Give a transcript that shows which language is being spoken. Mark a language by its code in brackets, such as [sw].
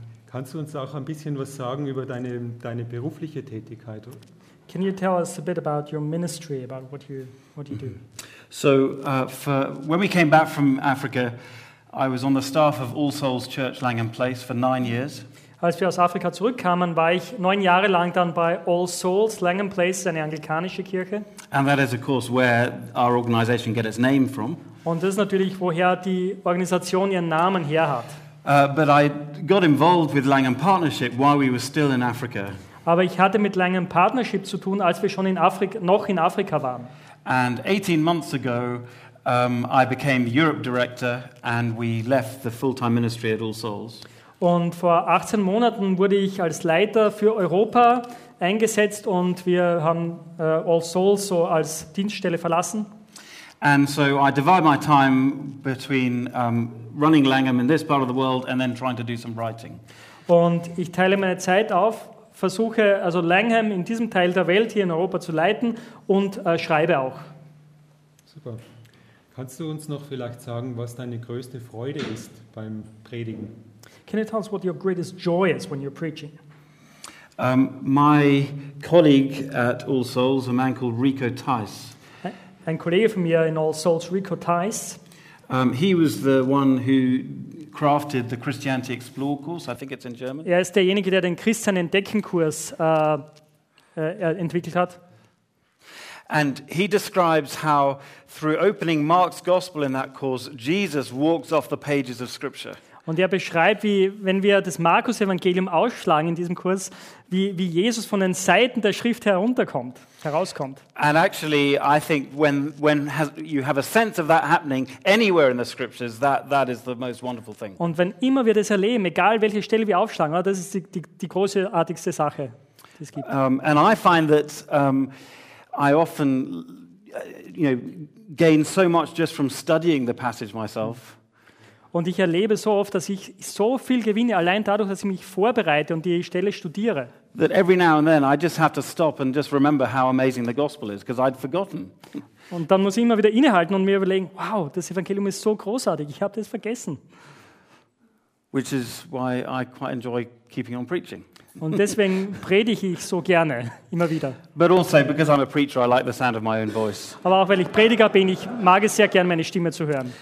[de] Kannst du uns auch ein bisschen was sagen über deine berufliche Tätigkeit? [en] Can you tell us a bit about your ministry, about what you do? So, when we came back from Africa, I was on the staff of All Souls Church Langham Place for 9 years. [de] Als wir aus Afrika zurückkamen, war ich 9 Jahre lang dann bei All Souls Langham Place, eine anglikanische Kirche. [en] And that is, of course, where our organization gets its name from. [de] Und das ist natürlich, woher die Organisation ihren Namen her hat. [en] But I got involved with Langham Partnership while we were still in Africa. [de] Aber ich hatte mit Langham Partnership zu tun, als wir schon noch in Afrika waren. [en] And 18 months ago, I became Europe Director and we left the full-time ministry at All Souls. [de] Und vor 18 Monaten wurde ich als Leiter für Europa eingesetzt und wir haben All Souls so als Dienststelle verlassen. [en] And so I divide my time between running Langham in this part of the world and then trying to do some writing. [de] Und ich teile meine Zeit auf, versuche also Langham in diesem Teil der Welt hier in Europa zu leiten und schreibe auch. Super. Kannst du uns noch vielleicht sagen, was deine größte Freude ist beim Predigen? [en] Can you tell us what your greatest joy is when you're preaching? My colleague at All Souls, a man called Rico Tice. [de] Ein Kollege von mir in All Souls, Rico Tice. [en] He was the one who crafted the Christianity Explore course. I think it's in German. [de] Er ist derjenige, der den Christian Entdeckenkurs entwickelt hat. [en] And he describes how through opening Mark's Gospel in that course, Jesus walks off the pages of Scripture. [de] Und er beschreibt, wie wenn wir das Markus Evangelium ausschlagen in diesem Kurs, wie Jesus von den Seiten der Schrift herauskommt. [en] And actually I think when you have a sense of that happening anywhere in the scriptures, that is the most wonderful thing. [de] Und wenn immer wir das erleben, egal welche Stelle wir aufschlagen, das ist die großartigste Sache, die es gibt. [en] And I find that I often gain so much just from studying the passage myself. [de] Und ich erlebe so oft, dass ich so viel gewinne, allein dadurch, dass ich mich vorbereite und die Stelle studiere. [en] That every now and then I just have to stop and just remember how amazing the gospel is, because I'd forgotten. [de] Und dann muss ich immer wieder innehalten und mir überlegen, wow, das Evangelium ist so großartig, ich habe das vergessen. [en] Which is why I quite enjoy keeping on preaching. [de] Und deswegen predige ich so gerne, immer wieder. [en] But also because I'm a preacher, I like the sound of my own voice. [de] Aber auch weil ich Prediger bin, ich mag es sehr gern, meine Stimme zu hören.